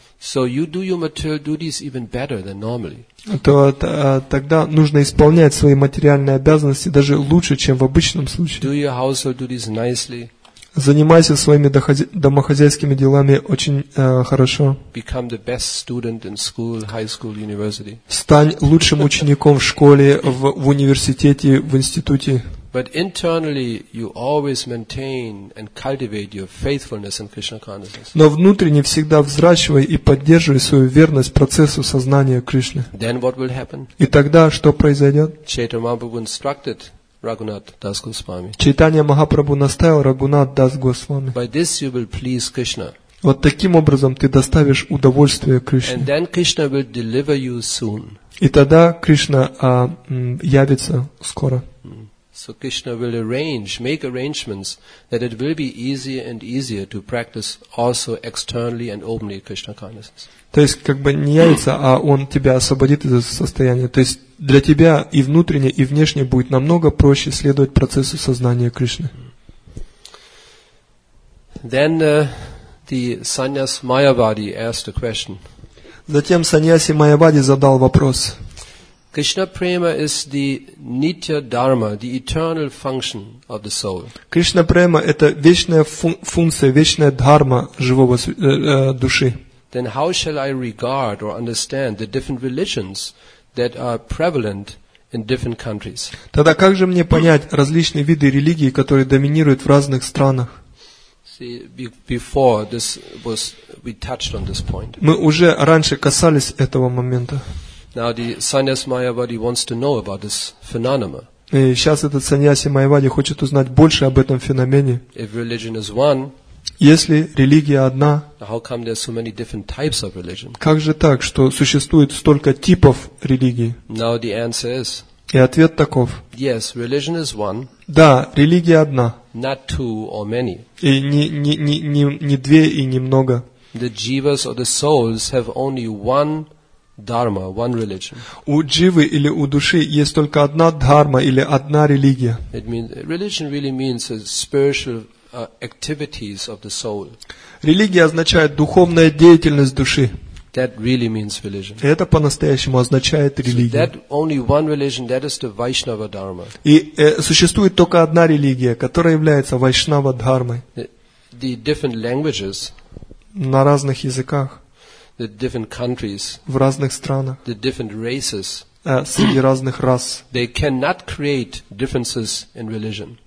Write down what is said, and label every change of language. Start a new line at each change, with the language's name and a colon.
English: so you do your material duties even better than normally.
Russian: То тогда нужно исполнять свои материальные обязанности даже лучше, чем в обычном случае.
English: Do your household duties nicely.
Russian: Занимайся своими домохозяйскими делами очень хорошо.
English: Become the best student in school, high school, university.
Russian: Стань лучшим учеником в школе, в университете, в институте.
English: But internally you always maintain and cultivate your faithfulness in Krishna consciousness.
Russian: Но внутренне всегда взращивай и поддерживай свою верность процессу сознания Кришны.
English: Then what will happen?
Russian: И тогда что произойдет?
English: Chaitanya Mahaprabhu instructed Raghunath Das Goswami.
Russian: Чайтанья Махапрабху наставил Рагхунатха Дас Госвами.
English: By this you will please Krishna.
Russian: Вот таким образом ты доставишь удовольствие Кришне.
English: And then Krishna will deliver you soon.
Russian: И тогда Кришна явится скоро.
English: So Krishna will arrange, make arrangements that it will be easier and easier to practice also externally and openly Krishna consciousness.
Russian: То есть как бы не явится, а он тебя освободит из этого состояния. То есть для тебя и внутренне, и внешне будет намного проще следовать процессу сознания Кришны.
English: Then the sannyas Mayavadi asked a question.
Russian: Затем саньяси Майявади задал вопрос.
English: Krishna prema is the nitya dharma, the eternal function of the soul.
Russian: Krishna prema это вечная функция, вечная дхарма живого души.
English: Then how shall I regard or understand the different religions that are prevalent in different countries?
Russian: Тогда как же мне понять различные виды религии, которые доминируют в разных странах?
English: See, before this was we touched on this point.
Russian: Мы уже раньше касались этого момента.
English: Now the sannyas Mayavadi wants to know about this phenomenon.
Russian: И сейчас этот саньяси Майявади хочет узнать больше об этом феномене.
English: If religion is one,
Russian: если религия одна,
English: how come there are so many different types of religion?
Russian: Как же так, что существует столько типов религии?
English: Now the answer is.
Russian: И ответ таков.
English: Yes, religion is one.
Russian: Да, религия одна.
English: Not two or many.
Russian: И не две и не много.
English: The jivas or the souls have only one. Dharma, one religion.
Russian: У дживы или у души есть только одна дхарма или одна религия.
English: It means, religion really means the spiritual activities of the soul.
Russian: Религия означает духовная деятельность души.
English: That really means religion.
Russian: Это по-настоящему означает религия.
English: So that only one religion, that is the Vaishnava Dharma.
Russian: И существует только одна религия, которая является Вайшнава Дхармой.
English: The different languages.
Russian: На разных языках.
English: The different countries,
Russian: в разных странах,
English: the different races,
Russian: среди разных рас,
English: they cannot create differences in religion.